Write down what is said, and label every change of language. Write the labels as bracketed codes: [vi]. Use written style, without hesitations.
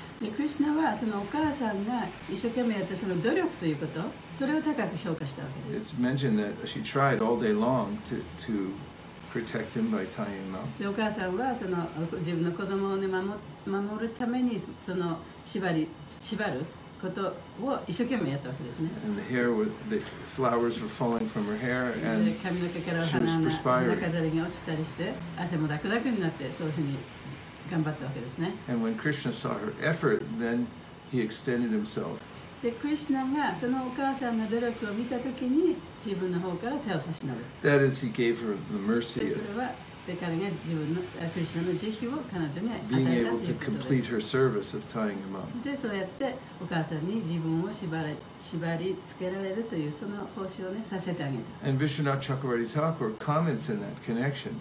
[ja] で、クリシナはそのお母さんが一生懸命やったその努力ということ、それを高く評価したわけです。 [en] It's mentioned that she tried all day long to protect him by tying him up. [ja] で、お母さんはその自分の子供を、ね、守るためにその縛ることを一生懸命やったわけですね。 [en] And the hair was, the flowers were falling from her hair, and she was perspiring. [ja] 髪の毛飾りが落ちたりして、汗もダクダクになって、そういうふうに頑張ったわけですね。 [en] And when Krishna saw her effort, then he extended himself. [ja] で、クリシナがそのお母さんの努力を見たときに、自分の方から手を差し伸べた。 [en] That is, he gave her the mercy of. Being able to complete her service of tying him up. [ja] で、そうやってお母さんに自分を縛りつけられるというその奉仕をねさせてあげた。 [en] And Vishwanatha Chakravarti Thakur comments in that connection.